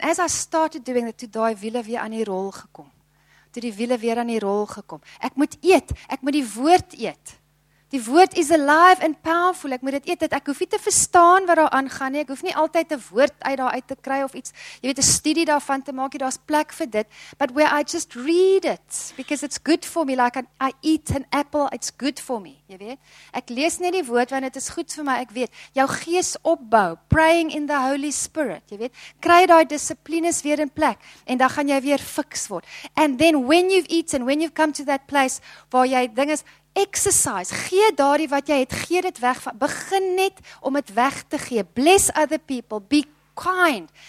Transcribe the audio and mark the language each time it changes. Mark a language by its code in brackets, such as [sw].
[en] And as I started doing that, [af] toe die wiele weer aan die rol gekom. Toe die wiele weer aan die rol gekom. Ek moet eet, ek moet die woord eet. Die woord [en] is alive and powerful. [af] Ek moet dit eet, ek hoef nie te verstaan wat daar aangaan nie. Ek hoef nie altyd 'n woord uit daar uit te kry of iets. Jy weet, 'n studie daarvan te maak, daar's plek vir dit. [en] But where I just read it because it's good for me, like I eat an apple, it's good for me, [af] jy weet. Ek lees net die woord want dit is goed vir my, ek weet. Jou gees opbou, [en] praying in the Holy Spirit, [af] jy weet. Kry daai dissiplines weer in plek en dan gaan jy weer fiks word. [en] And then when you've eaten, when you've come to that place [af] waar jy ding is exercise, gee daardie wat jy het, gee dit weg, begin net om dit weg te gee, [en] bless other people, be kind,